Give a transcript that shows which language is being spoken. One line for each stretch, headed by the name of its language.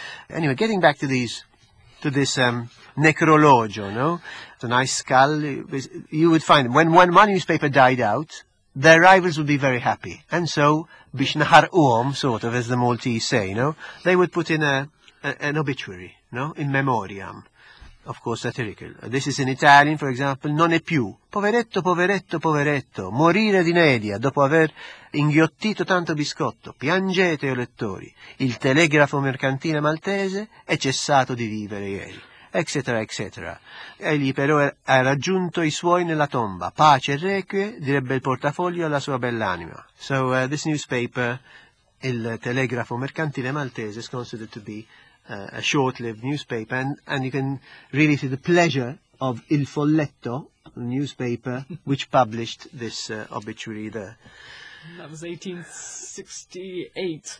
English: Anyway, getting back to this necrologio, no? It's a nice skull. You would find, when one newspaper died out, their rivals would be very happy. And so, Bishnahar Uom, sort of, as the Maltese say, no? They would put in an obituary, no? In memoriam. Of course, satirical. This is in Italian, for example,
Italian: non è più. Poveretto, poveretto, poveretto, morire di nedia dopo aver inghiottito tanto biscotto. Piangete, o lettori, il telegrafo mercantile maltese è cessato di vivere ieri. Eccetera, eccetera. Egli però ha raggiunto i suoi nella tomba. Pace e requie, direbbe il portafoglio alla sua bell'anima.
English: So, this newspaper, il telegrafo mercantile maltese, is considered to be a short-lived newspaper, and you can really see the pleasure of Il Folletto, the newspaper which published this obituary there. That was 1868.